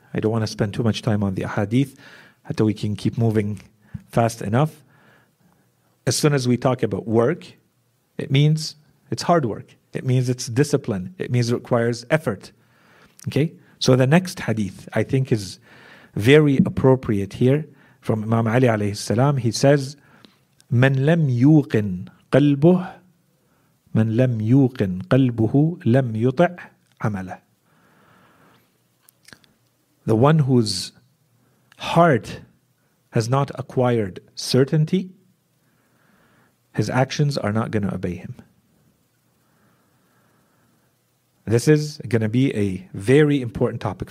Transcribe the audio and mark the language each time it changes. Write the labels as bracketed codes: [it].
[en] I don't want to spend too much time on the ahadith until we can keep moving fast enough. As soon as we talk about work, it means it's hard work. It means it's discipline. It means it requires effort. Okay? So the next hadith, I think, is very appropriate here from Imam Ali alayhi salam. He says, [ar] من لم يوقن قلبه من لم يوقن قلبه لم يطع عمله. [en] The one whose heart has not acquired certainty, his actions are not going to obey him. This is going to be a very important topic.